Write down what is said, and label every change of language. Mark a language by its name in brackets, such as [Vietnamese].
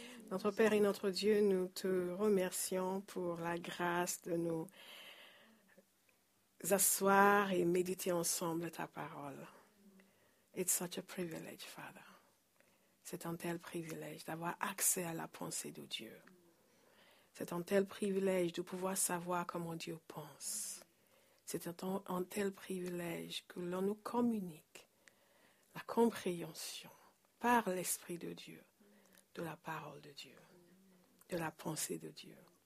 [French] Notre Père et notre Dieu, nous te remercions pour la grâce de nous asseoir et méditer ensemble ta parole. [English] It's such a privilege, Father. [French] C'est un tel privilège d'avoir accès à la pensée de Dieu. C'est un tel privilège de pouvoir savoir comment Dieu pense. C'est un tel privilège que l'on nous communique la compréhension par l'Esprit de Dieu, de la parole de Dieu, de la pensée de Dieu.